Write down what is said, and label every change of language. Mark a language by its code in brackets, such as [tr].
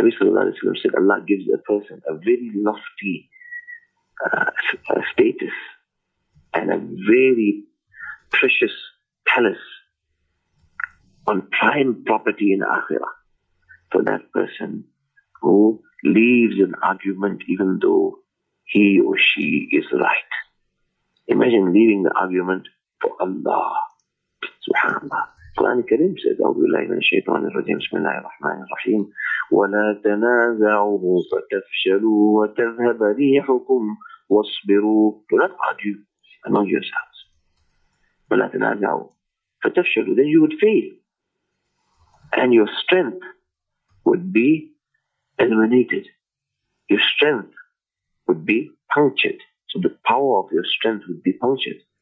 [en] Nabi Sallallahu Alaihi Wasallam said, Allah gives a person a very lofty status and a very precious palace on prime property in Akhirah for that person who leaves an argument even though he or she is right. Imagine leaving the argument for Allah. Subhanallah. [ar] Quran Kareem says, أعوذ بالله من الشيطان الرجيم بسم الله الرحمن الرحيم وَلَا تَنَازَعُوا فَتَفْشَلُوا وَتَذْهَبَ رِيحُكُمْ وَاصْبِرُوا. [en] Do not argue among yourselves. [ar] وَلَا تَنَازَعُوا فَتَفْشَلُوا. [en] Then you would fail. And your strength would be eliminated. Your strength would be punctured. So the power of your strength would be punctured.